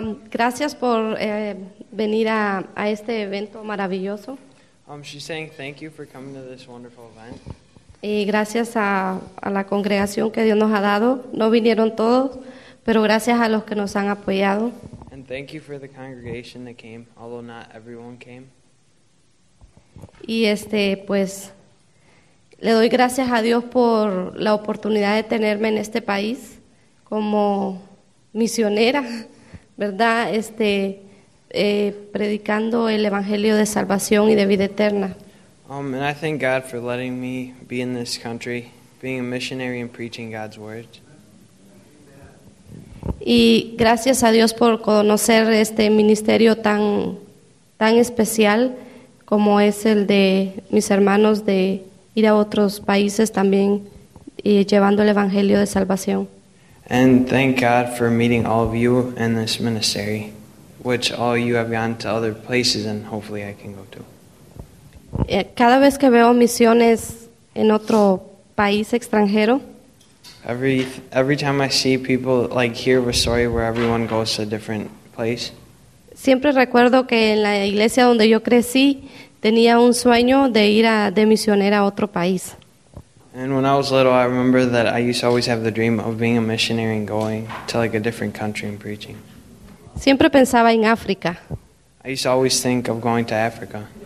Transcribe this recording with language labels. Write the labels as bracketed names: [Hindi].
[Spanish] Gracias por venir a este evento maravilloso. [English] She's saying thank you for coming to this wonderful event. [Spanish] Y gracias a la congregación que Dios nos ha dado. No vinieron todos, pero gracias a los que nos han apoyado. [English] And thank you for the congregation that came, although not everyone came. [Spanish] Y pues le doy gracias a Dios por la oportunidad de tenerme en este país como misionera, ¿verdad? Predicando el evangelio de salvación y de vida eterna. [English] And I thank God for letting me be in this country, being a missionary and preaching God's word. [Spanish] Y gracias a Dios por conocer este ministerio tan, tan especial como es el de mis hermanos de ir a otros países también y llevando el evangelio de salvación. [English] And thank God for meeting all of you in this ministry, which all you have gone to other places and hopefully I can go to. [Spanish] Cada vez que veo misiones en otro país extranjero, [English] Every time I see people like hear a story where everyone goes to a different place. [Spanish] Siempre recuerdo que en la iglesia donde yo crecí tenía un sueño de ir de misionera a otro país. [English] And when I was little, I remember that I used to always have the dream of being a missionary and going to like a different country and preaching. [Spanish] Siempre pensaba en África. [English] I used to always think of going to Africa.